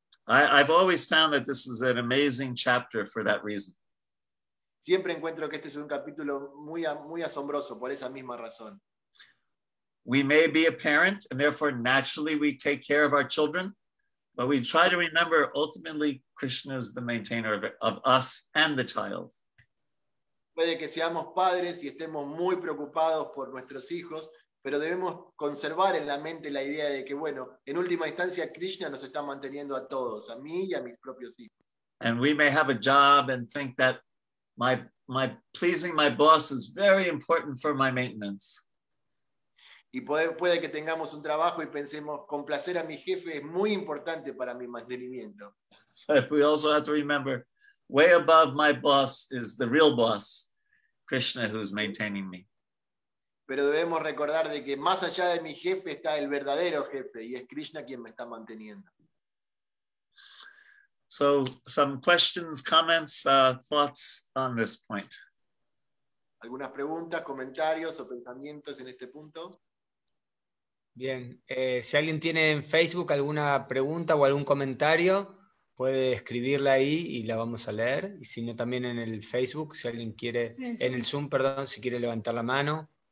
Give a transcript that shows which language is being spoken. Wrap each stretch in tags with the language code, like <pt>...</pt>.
<en>I've always found that this is an amazing chapter for that reason.</en> <es>Siempre encuentro que este es un capítulo muy asombroso por esa misma razón.</es> <en>We may be a parent, and therefore naturally we take care of our children, but we try to remember ultimately Krishna is the maintainer of us and the child.</en> <es>Puede que seamos padres y estemos muy preocupados por nuestros hijos, pero debemos conservar en la mente la idea de que, bueno, en última instancia, Krishna nos está manteniendo a todos, a mí y a mis propios hijos.</es> <en>And we may have a job and think that my pleasing my boss is very important for my maintenance.</en> <es>Y puede que tengamos un trabajo y pensemos, complacer a mi jefe es muy importante para mi mantenimiento.</es> <en>But we also have to remember, way above my boss is the real boss, Krishna, who's maintaining me.</en> <es>Pero debemos recordar de que más allá de mi jefe está el verdadero jefe y es Krishna quien me está manteniendo.</es> <en>So, some questions, comments, thoughts on this point.</en> <es>¿Algunas preguntas, comentarios o pensamientos en este punto? Bien, si alguien tiene en Facebook alguna pregunta o algún comentario, puede escribirla ahí y la vamos a leer. Y si no, también en el Facebook, si alguien quiere, en el Zoom, perdón, si quiere levantar la mano.</es>